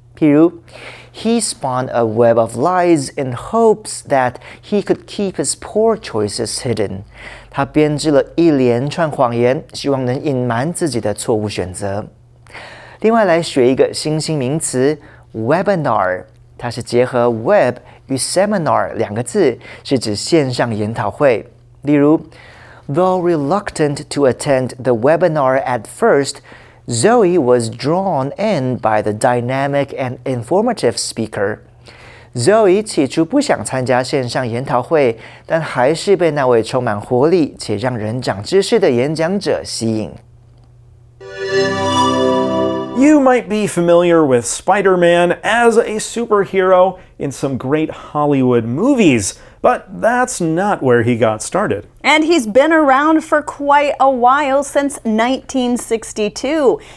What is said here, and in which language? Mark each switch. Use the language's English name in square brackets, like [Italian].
[English] 譬如 he spawned a web of lies in hopes that he could keep his poor choices hidden. [Chinese] 他编织了一连串谎言，希望能隐瞒自己的错误选择。另外来学一个新兴名词 webinar， 它是结合 web 与 seminar 两个字，是指线上研讨会。 [English] 例如 though reluctant to attend the webinar at firstZoe was drawn in by the dynamic and informative speaker. [Chinese] Zoe 起初不想参加线上研讨会，但还是被那位充满活力且让人长知识的演讲者吸引。 [English] You might be familiar with Spider-Man as a superhero in some great Hollywood movies, but that's not where he got started. And he's been around for quite a while, since 1962.